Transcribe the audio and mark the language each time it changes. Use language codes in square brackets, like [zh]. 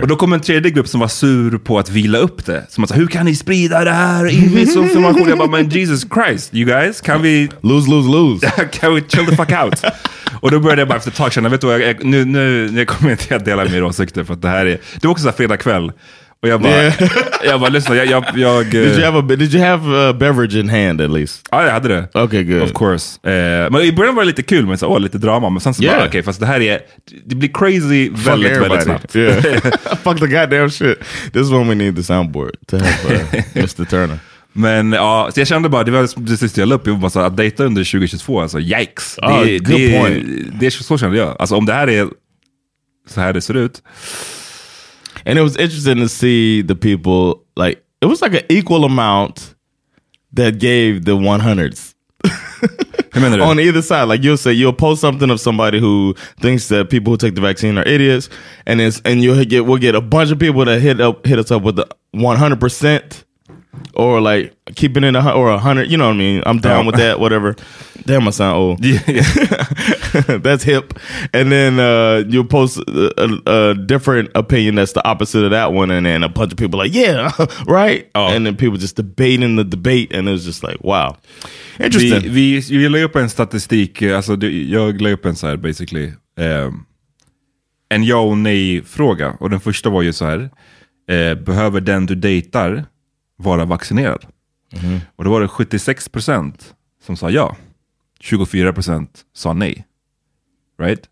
[sv] Och då kom en tredje grupp som var sur på att vila upp det. Som att säga, hur kan ni sprida det här? Information? Jag bara, men [en] Jesus Christ, you guys, can we... Lose. Can we chill the fuck out? [sv] Och då började jag bara efter ett tag känna, vet du, nu kommer jag inte att dela mer åsikter, för att det här är... Det var också så här fredag kväll. Och jag bara, lyssna, jag... [en] Did you have a beverage in hand, at least? [sv] Ja, jag hade det. [en] Okay, good. Of course. [sv] Men i början var det lite kul, men så lite drama. Men sen så bara, okay, fast det här är... Det blir crazy väldigt, väldigt snabbt. [en] Yeah. Fuck the goddamn shit. This is when we need the soundboard to help Mr. Turner. [sv] Men ja, så jag kände bara, det var det sista jag upp. Jag bara så att data under 2022, alltså yikes. [en] Good point. [sv] Det är så kände jag. Alltså om det här är så här det ser ut... [en] And it was interesting to see the people, like, it was like an equal amount that gave the 100s on either side. Like, you'll post something of somebody who thinks that people who take the vaccine are idiots, and we'll get a bunch of people that hit us up with the 100%, or like, keeping it, or 100, you know what I mean, I'm down with that, whatever. Damn, I sound old. Yeah. That's hip. And then you'll post a different opinion that's the opposite of that one, and then a bunch of people are like, yeah, right? Oh. And then people just debating the debate, and it was just like, wow. Interesting. [sv] Vi lade upp en statistik, alltså jag lade upp en så här, [en] basically, [sv] en ja och nej-fråga. Och den första var ju så här, behöver den du dejtar vara vaccinerad? Mm-hmm. Och då var det 76% som sa ja. 24% sa nej. Right?